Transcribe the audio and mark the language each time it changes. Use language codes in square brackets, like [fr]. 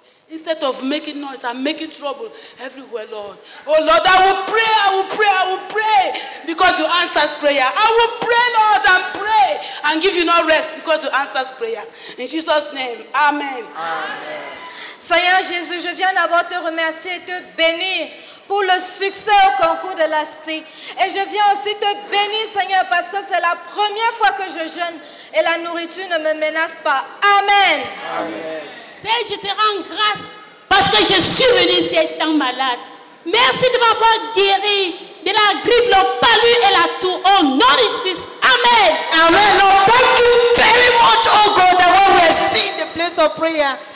[en] Instead of making noise and making trouble everywhere, Lord. Oh, Lord, I will pray, I will pray, I will pray because you answer prayer. I will pray, Lord, and pray and give you no rest because you answer prayer. In Jesus' name, amen. Amen. [fr] Seigneur Jésus, je viens d'abord te remercier et te bénir pour le succès au concours de l'ASTI. Et je viens aussi te bénir, Seigneur, parce que c'est la première fois que je jeûne et la nourriture ne me menace pas. Amen. Amen. Seigneur, je te rends grâce parce que je suis venu ici étant malade. Merci de m'avoir guéri de la grippe, le palud et la toux. Au nom de Jésus-Christ. Amen. Amen. [en] Lord, thank you very much, oh God, that we are still in the place of prayer.